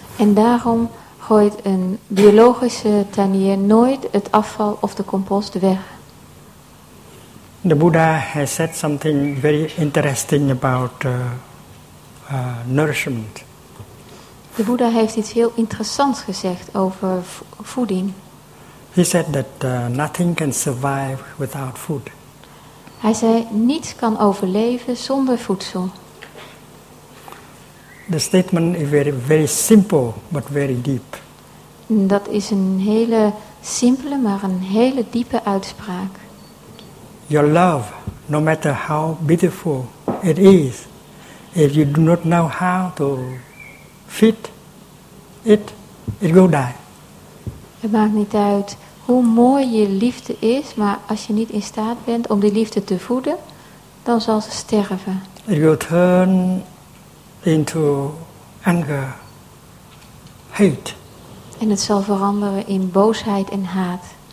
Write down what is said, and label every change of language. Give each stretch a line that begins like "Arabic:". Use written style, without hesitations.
Dutch: En daarom gooit een biologische tuinier nooit het afval of de compost weg.
English: The Buddha has said something very interesting about nourishment.
Dutch: De Buddha heeft iets heel interessants gezegd over voeding.
English: He said that nothing can survive without food.
Dutch: Hij zei, niets kan overleven zonder voedsel.
English: The statement is very, very simple, but very deep.
Dutch: Dat is een hele simpele, maar een hele diepe uitspraak.
English: Your love, no matter how beautiful it is, if you do not know how to feed it, it will die.
Dutch: Het maakt niet uit hoe mooi je liefde is, maar als je niet in staat bent om die liefde te voeden, dan zal ze sterven.
English: It will turn into anger, hate.
Dutch: En het zal veranderen in boosheid en haat.